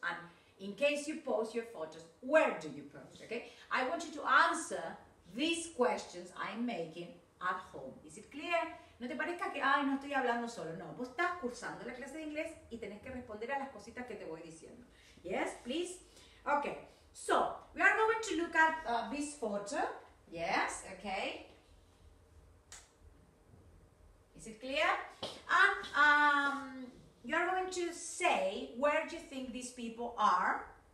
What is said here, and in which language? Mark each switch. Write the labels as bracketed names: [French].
[English] And in case you post your photos, where do you post? Okay, I want you to answer these questions I'm making at home. Is it clear? [Spanish] No te parezca que, ay, no estoy hablando solo. No, vos estás cursando la clase de inglés y tenés que responder a las cositas que te voy diciendo. [English] Yes, please. Okay, so we are going to look at this photo. Yes, okay. Is it clear? And you're going to say where you think these people are.